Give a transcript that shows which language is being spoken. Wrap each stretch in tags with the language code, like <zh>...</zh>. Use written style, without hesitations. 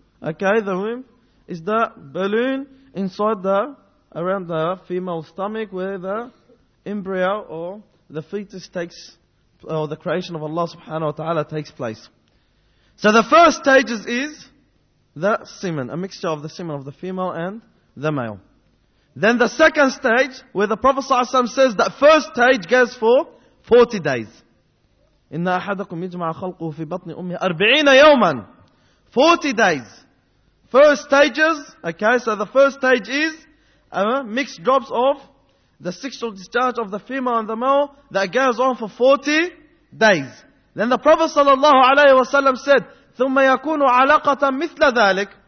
<en>Okay, the womb is the balloon inside the, around the female stomach where the embryo or the fetus takes, or the creation of Allah subhanahu wa ta'ala takes place. So the first stages is the semen, a mixture of the semen of the female and the male. Then the second stage, where the Prophet sallallahu alaihi wasallam says that first stage goes for 40 days.</en> <ar>إِنَّ أَحَدَكُمْ يَجْمَعَ خَلْقُهُ فِي بَطْنِ أُمِّهِ 40 يَوْمًا</ar> <en>40 days. First stages, okay, so the first stage is mixed drops of the sexual discharge of the female and the male that goes on for 40 days. Then the Prophet sallallahu alayhi wa sallam said, ثُمَّ يَكُونُ عَلَقَةً مِثْلَ ذَلِكَ.</en>